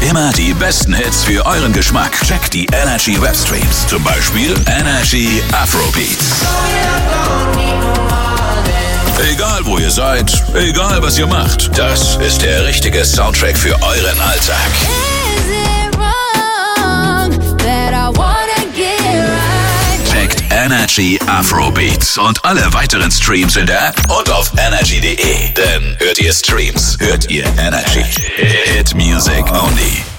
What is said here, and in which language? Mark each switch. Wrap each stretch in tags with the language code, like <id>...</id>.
<de>Immer die besten Hits für euren Geschmack. Checkt die Energy Webstreams. Zum Beispiel Energy Afrobeats. Egal wo ihr seid, egal was ihr macht, das ist der richtige Soundtrack für euren Alltag.</de> <en>Is it wrong that I wanna get right?</en> <de>Checkt Energy Afrobeats und alle weiteren Streams in der App und auf energy.de. Denn hört ihr Streams, hört ihr Energy.</de> <en>Hit Music only.</en>